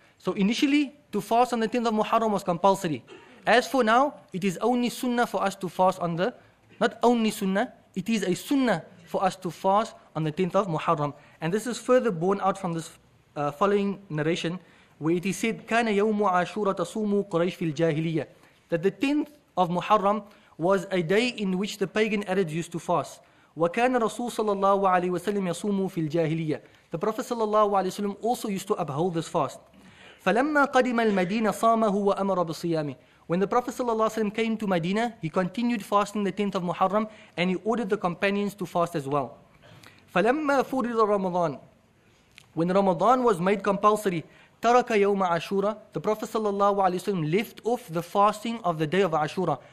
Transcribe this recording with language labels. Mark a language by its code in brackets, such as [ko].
[en] So initially, to fast on the 10th of Muharram was compulsory. As for now, it is only sunnah for us to fast on the, not only sunnah, it is a sunnah for us to fast on the 10th of Muharram. And this is further borne out from this following narration, where it is said, [ar] كَانَ يَوْمُ عَاشُورَ تَصُومُ قُرَيْشِ فِي الْجَاهِلِيَّةِ, [en] that the 10th of Muharram was a day in which the pagan Arabs used to fast. [ar] وَكَانَ رَسُولُ صَلَى اللَّهُ عَلَيْهِ وَسَلِّمْ يَصُومُ فِي الْجَاهِلِيَّةِ. [en] The Prophet صلى الله عليه وسلم also used to uphold this fast. [ar] فَلَمَّا قَدِمَ الْمَدِينَ صَامَهُ وَأَمَرَ بِصِيَامِهِ. [en] When the Prophet صلى الله عليه وسلم came to Medina, he continued fasting the 10th of Muharram, and he ordered the companions to fast as well. [ar] فَلَمَّا فُرِضَ رَمَضَانَ. [en] When Ramadan was made compulsory, [ar] تَرَكَ يَوْمَ عَشُورَ, [en] the Prophet sallallahu alayhi wa sallam left off the fasting of the day of Ashura.